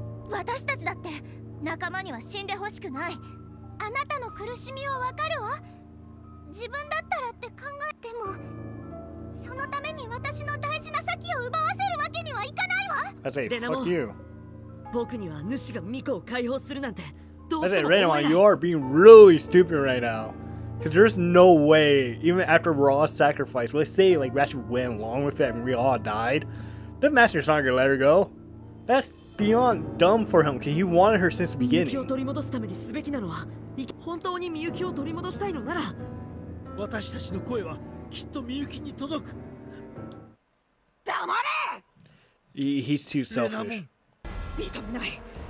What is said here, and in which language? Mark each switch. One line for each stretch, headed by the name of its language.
Japanese: 私たちだって仲間には死んでほしくない。あなたの苦しみはわかるわ。自分だったらって考えても、そのために私の大事な先を奪わせるわけにはいかないわ。レナモン、僕には主がミコを解放するなんてどうしても。
English: レナモン、you are being really stupid right now. Cause there's no way, even after Ra's sacrifice, let's say like Ratchet went along with it and we all died, the Master's not gonna let her go. That's beyond dumb for him. Cause he wanted her since the beginning.
Japanese: ミユキを取り戻すためにすべきなのは、本当にミユキを取り戻したいのなら。私たちの声はきっとミユキに届く。黙れ。
English: He's too selfish.
Japanese: レナモン、認めない。